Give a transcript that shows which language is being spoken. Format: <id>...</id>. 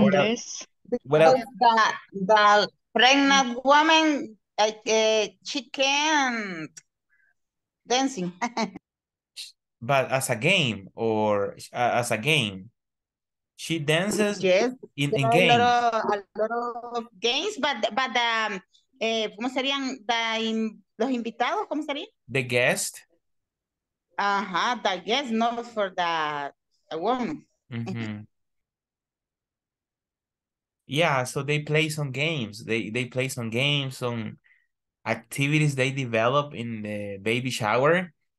<en>what else? Because the pregnant woman, she can't dancing. But as a game, or as a game, she dances. Yes. In games.</en> <es>A lot of games, ¿cómo serían los invitados? ¿Cómo serían?</es> <en>The guest. Uh-huh, the guest, not for the woman. Mm-hmm. Yeah, so they play some games. They play some games, some activities they develop in the baby shower.</en>